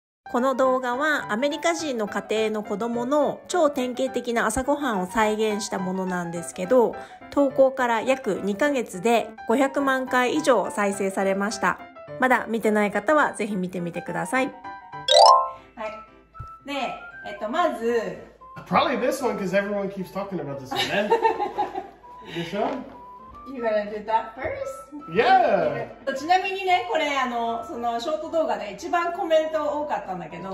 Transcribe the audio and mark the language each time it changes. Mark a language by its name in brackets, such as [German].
[Japanese] この動画はアメリカ人の家庭の子供の超典型的な朝ごはんを再現したものなんですけど、投稿から約2ヶ月で500万回以上再生されました。まだ見てない方はぜひ見てみてください。はい。で、まず、 [English] Probably this one because everyone keeps talking about this one, man. You sure? You gotta do that first? Yeah! [Japanese] ちなみにね、これそのショート動画で一番コメント多かったんだけど、